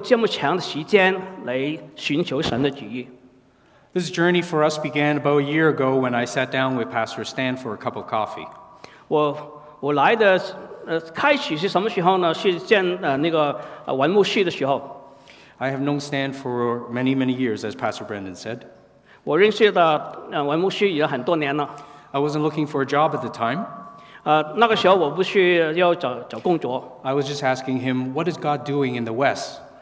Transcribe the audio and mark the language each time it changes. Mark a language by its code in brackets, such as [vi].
[zh] 我非常感谢，因为你们这个教会能够用这么长的时间来寻求神的旨意。 [en] This journey for us began about a year ago when I sat down with Pastor Stan for a cup of coffee. [zh] 我来的开始是什么时候呢？是见那个文牧师的时候。 [en] I have known Stan for many, many years, as Pastor Brendan said. [zh] 我认识的文牧师也很多年了。 [en] I wasn't looking for a job at the time. [zh] 那个时候我不是要找工作。 [en] I was just asking him, what is God doing in the West?